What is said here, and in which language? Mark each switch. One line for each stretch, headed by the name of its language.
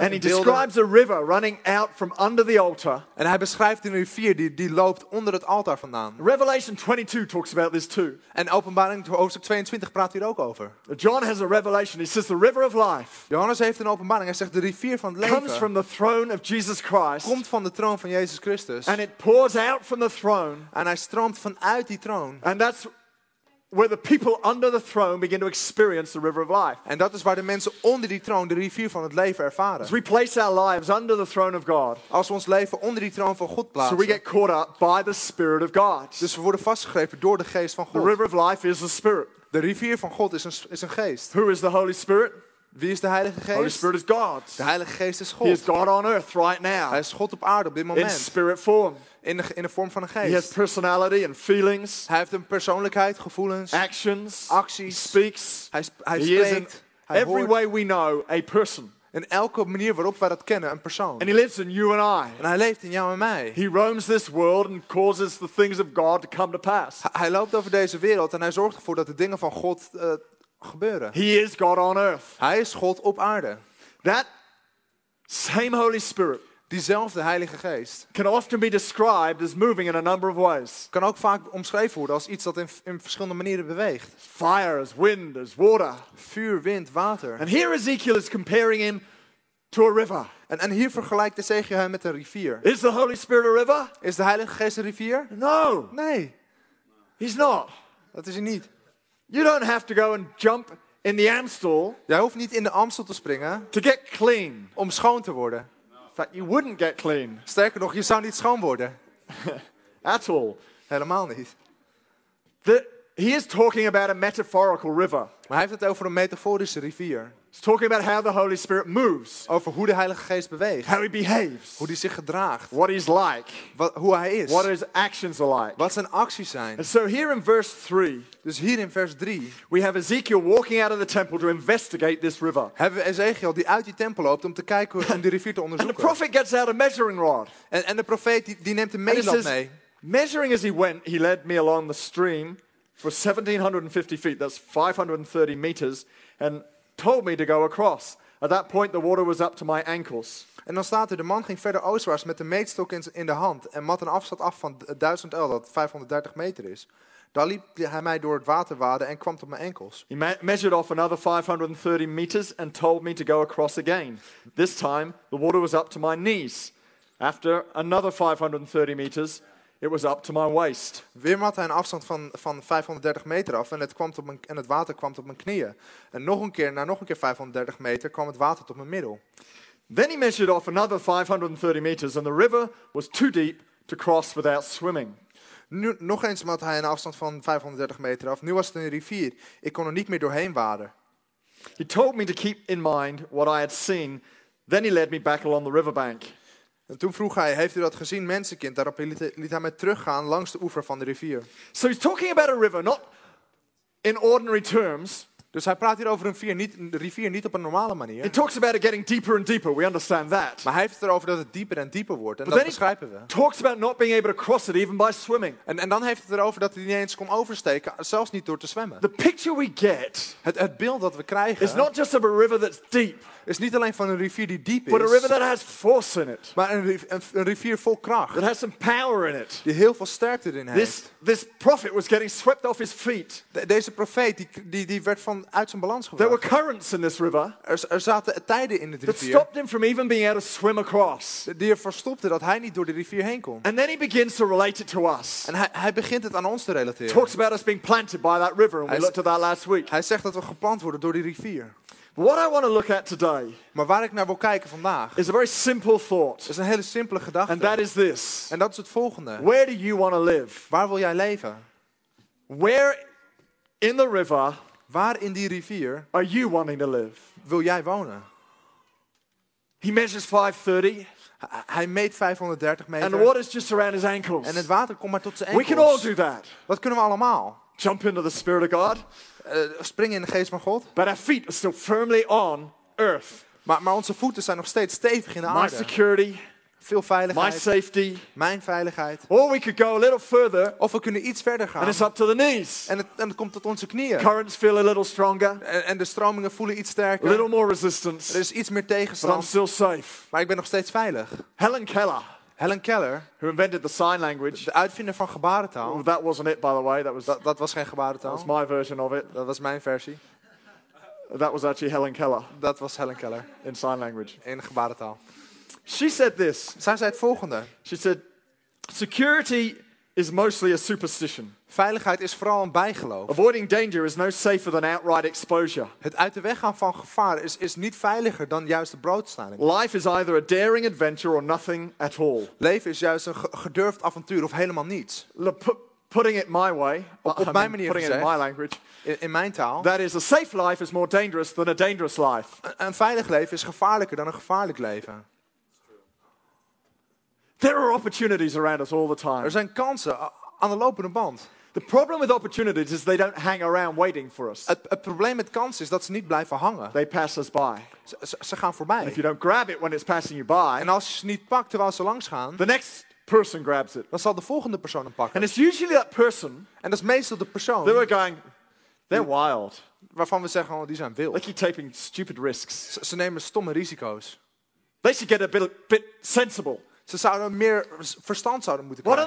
English: And he describes a river running out from under the altar.
Dutch: En hij beschrijft een rivier die loopt onder het altaar vandaan.
English: Revelation 22 talks about this too.
Dutch: En Openbaring hoofdstuk 22 praat hier ook over.
English: John has a revelation. He says the river of life.
Dutch: Johannes heeft een openbaring. Hij zegt de rivier van het leven.
English: Comes from the throne of Jesus Christ.
Dutch: Komt van de troon van Jezus Christus.
English: And it pours out from the throne.
Dutch: En hij stroomt vanuit die troon.
English: And that's where the people under the throne begin to experience the river of life.
Dutch: En dat is waar de mensen onder die troon de rivier van het leven ervaren.
English: As we place our lives under the throne of God.
Dutch: Als we ons leven onder die troon van God plaatsen.
English: So we get caught up by the Spirit of God.
Dutch: Dus we worden vastgegrepen door de geest van God.
English: The river of life is the Spirit.
Dutch: De rivier van God is een geest.
English: Who is the Holy Spirit?
Dutch: Wie is de Heilige Geest?
English: Holy Spirit is God.
Dutch: De Heilige Geest is God.
English: He is God on earth right now.
Dutch: Hij is God op aarde op dit moment.
English: In spirit form.
Dutch: In de vorm van een geest.
English: He has personality and feelings.
Dutch: Hij heeft een persoonlijkheid, gevoelens,
English: actions,
Dutch: acties.
English: He speaks.
Dutch: Hij spreekt. Hij
English: every
Dutch: hoort.
English: Way we know a person.
Dutch: In elke manier waarop wij dat kennen, een persoon.
English: And he lives in you and I.
Dutch: En hij leeft in jou en mij.
English: He roams this world and causes the things of God to come to pass.
Dutch: Hij loopt over deze wereld en hij zorgt ervoor dat de dingen van God gebeuren.
English: He is God on earth.
Dutch: Hij is God op aarde.
English: That same Holy Spirit.
Dutch: Diezelfde Heilige Geest
English: can often be described as moving in a number of ways.
Dutch: Kan ook vaak omschreven worden als iets dat in verschillende manieren beweegt.
English: Fire, as wind, as water.
Dutch: Vuur, wind, water.
English: And here Ezekiel is comparing him to a river.
Dutch: En hier vergelijkt Ezekiel hem met een rivier.
English: Is the Holy Spirit a river?
Dutch: Is de Heilige Geest een rivier?
English: No.
Dutch: Nee.
English: He's not.
Dutch: Dat is hij niet.
English: You don't have to go and jump in the Amstel.
Dutch: Jij hoeft niet in de Amstel te springen.
English: To get clean.
Dutch: Om schoon te worden.
English: That you wouldn't get clean.
Dutch: Sterker nog, je zou niet schoon worden.
English: At all.
Dutch: Helemaal niet.
English: He is talking about a metaphorical river.
Dutch: Maar hij heeft het over een metaforische rivier.
English: He's talking about how the Holy Spirit moves.
Dutch: Over hoe de Heilige Geest beweegt.
English: How he behaves.
Dutch: Hoe hij zich gedraagt.
English: What he's like.
Dutch: Hoe hij is.
English: What his actions are like.
Dutch: Wat zijn acties zijn.
English: And so here in verse 3.
Dutch: Dus hier in vers 3.
English: We have Ezekiel walking out of the temple to investigate this river.
Dutch: Hebben we Ezekiel die uit die tempel loopt om te kijken om die rivier te onderzoeken.
English: And the prophet gets out a measuring rod.
Dutch: En de profeet die neemt een meetlat mee.
English: Measuring as he went, he led me along the stream for 1750 feet. That's 530 meters. And told me to go across. At that point the water was up to my ankles.
Dutch: En dan staat er, de man ging verder oostwaarts met de meetstok in de hand en mat een afstand af van 1000 el, dat 530 meter is. Daar liep hij mij door het water waden en kwam tot mijn ankles.
English: He measured off another 530 meters and told me to go across again. This time the water was up to my knees. After another 530 meters it was up to my waist.
Dutch: Weer mat hij een afstand van 530 meter af en het water kwam tot mijn knieën. En nog een keer 530 meter kwam het water tot mijn middel.
English: Then he measured off another 530 meters and the river was too deep to cross without swimming.
Dutch: Nu, nog eens mat hij een afstand van 530 meter af. Nu was het een rivier. Ik kon er niet meer doorheen waden.
English: He told me to keep in mind what I had seen. Then he led me back along the riverbank.
Dutch: En toen vroeg hij, heeft u dat gezien, mensenkind? Daarop liet hij mij teruggaan langs de oever van de rivier.
English: So he's talking about a river, not in ordinary terms.
Dutch: Dus hij praat hier over een rivier niet op een normale manier.
English: He talks about it getting deeper and deeper. We understand that.
Dutch: Maar hij heeft het erover dat het dieper en dieper wordt. En dat begrijpen we.
English: Talks about not being able to cross it even by swimming.
Dutch: En dan heeft het erover dat hij niet eens kon oversteken, zelfs niet door te zwemmen.
English: The picture we get,
Dutch: het beeld dat we krijgen,
English: is not just of a river that's deep.
Dutch: Is niet alleen van een rivier die diep is.
English: But a river that has force in it.
Dutch: Maar een rivier vol kracht.
English: That has some power in it.
Dutch: Die heel veel sterkte erin heeft.
English: This prophet was getting swept off his feet.
Dutch: Deze profeet die werd van uit zijn balans gebracht.
English: There were currents in this river.
Dutch: Er zaten tijden in de rivier.
English: That stopped him from even being able to swim across.
Dutch: Die ervoor stopte dat hij niet door de rivier heen kon.
English: And then he begins to relate it to us.
Dutch: En hij begint het aan ons te relateren.
English: Talks about us being planted by that river, and we looked at that last week.
Dutch: Hij zegt dat we geplant worden door die rivier.
English: What I want to look at today,
Dutch: maar waar ik naar wil kijken vandaag,
English: is a very simple thought.
Dutch: Is een hele simpele gedachte.
English: And that is this.
Dutch: En dat is het volgende.
English: Where do you want to live?
Dutch: Waar wil jij leven?
English: Where in the river?
Dutch: Waar in die rivier?
English: Are you wanting to live?
Dutch: Wil jij wonen?
English: He measures 530.
Dutch: Hij meet 530 meter.
English: And the water is just around his ankles.
Dutch: En het water komt maar tot zijn enkels.
English: We can all do that.
Dutch: Dat kunnen we allemaal.
English: Jump into the Spirit of God.
Dutch: Springen in de geest van God.
English: But our feet are still firmly on earth.
Dutch: Maar onze voeten zijn nog steeds stevig in de aarde.
English: My security,
Dutch: veel veiligheid.
English: My safety,
Dutch: mijn veiligheid.
English: Or we could go a little further.
Dutch: Of we kunnen iets verder gaan.
English: And it's up to the knees.
Dutch: En het komt tot onze knieën.
English: Currents feel a little stronger.
Dutch: En de stromingen voelen iets sterker.
English: A little more resistance.
Dutch: Er is iets meer tegenstand.
English: But I'm still safe.
Dutch: Maar ik ben nog steeds veilig.
English: Helen Keller, who invented the sign language,
Dutch: de uitvinder van gebarentaal.
English: Well, that wasn't it, by the way.
Dutch: Dat was geen gebarentaal.
English: That was my version of it.
Dutch: Dat was mijn versie.
English: That was actually Helen Keller.
Dutch: Dat was Helen Keller
English: in sign language.
Dutch: In gebarentaal.
English: She said this.
Dutch: Zij zei het volgende.
English: She said, "Security is mostly a superstition.
Dutch: Veiligheid is vooral een bijgeloof.
English: Avoiding danger is no safer than outright exposure.
Dutch: Het uit de weg gaan van gevaar is niet veiliger dan juist de blootstelling.
English: Life is either a daring adventure or nothing at all.
Dutch: Leven is juist een gedurfd avontuur of helemaal niets.
English: Putting it my way,
Dutch: op mijn manier
English: putting
Dutch: gezegd,
English: it in my language,
Dutch: in mijn taal.
English: That is, a safe life is more dangerous than a dangerous life.
Dutch: Een veilig leven is gevaarlijker dan een gevaarlijk leven.
English: There are opportunities around us all the time.
Dutch: Er zijn kansen aan de lopende band.
English: The problem with opportunities is they don't hang around waiting for us.
Dutch: Het probleem met kansen is dat ze niet blijven hangen.
English: They pass us by.
Dutch: Ze gaan voorbij.
English: And if you don't grab it when it's passing you by,
Dutch: en als je ze niet pakt terwijl ze langs gaan,
English: the next person grabs it.
Dutch: Dan zal de volgende persoon hem pakken.
English: And it's usually that person.
Dutch: En dat is meestal de persoon.
English: They were going, they're wild.
Dutch: Waarvan we zeggen, oh, die zijn wild.
English: They keep taking stupid risks.
Dutch: Ze nemen stomme risico's.
English: They should get a bit sensible.
Dutch: Ze zouden meer verstand zouden moeten krijgen.